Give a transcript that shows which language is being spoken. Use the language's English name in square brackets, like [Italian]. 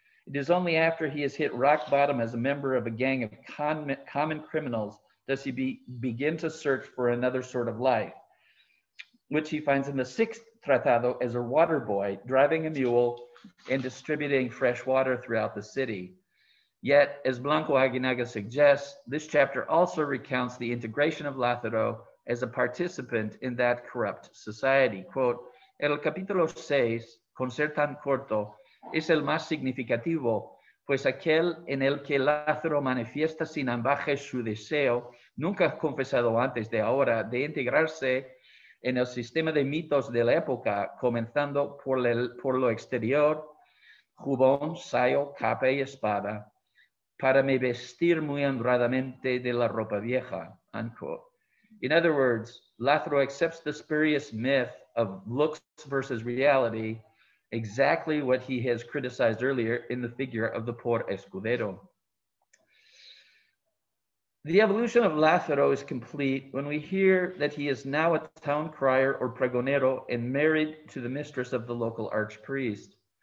[English] It is only after he has hit rock bottom as a member of a gang of common criminals does he begin to search for another sort of life, which he finds in the sixth tratado as a water boy driving a mule and distributing fresh water throughout the city. Yet, as Blanco Aguinaga suggests, this chapter also recounts the integration of Lázaro as a participant in that corrupt society. [Spanish] Quote, el capítulo seis, con ser tan corto, es el más significativo, pues aquel en el que Lázaro manifiesta sin ambaje su deseo, nunca confesado antes de ahora, de integrarse en el sistema de mitos de la época, comenzando por lo exterior, jubón, sayo, capa y espada, para me vestir muy honradamente de la ropa vieja, unquote. [English] In other words, Lázaro accepts the spurious myth of looks versus reality, exactly what he has criticized earlier in the figure of the poor escudero. The evolution of Lázaro is complete when we hear that he is now a town crier or pregonero and married to the mistress of the local archpriest.